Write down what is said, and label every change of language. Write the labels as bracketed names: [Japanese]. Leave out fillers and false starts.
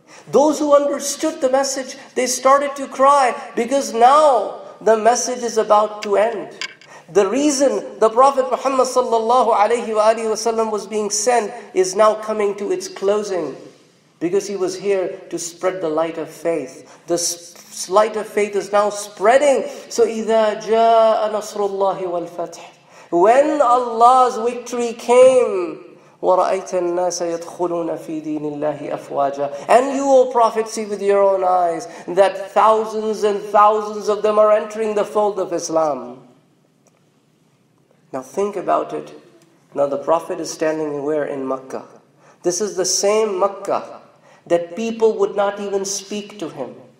[English] Those who understood the message, they started to cry, because now the message is about to end. The reason the Prophet Muhammad sallallahu alayhi wa alihi wasallam was being sent is now coming to its closing, because he was here to spread the light of faith. The light of faith is now spreading. [Arabic] So, إِذَا جَاءَ نَصْرُ اللَّهِ وَالْفَتْحِ. [English] When Allah's victory came, [Arabic] وَرَأَيْتَ النَّاسَ يَدْخُلُونَ فِي دِينِ اللَّهِ أَفْوَاجًا. [English] And you, O Prophet, see with your own eyes that thousands and thousands of them are entering the fold of Islam. Now think about it. Now the Prophet is standing where? In Makkah. This is the same Makkah that people would not even speak to him.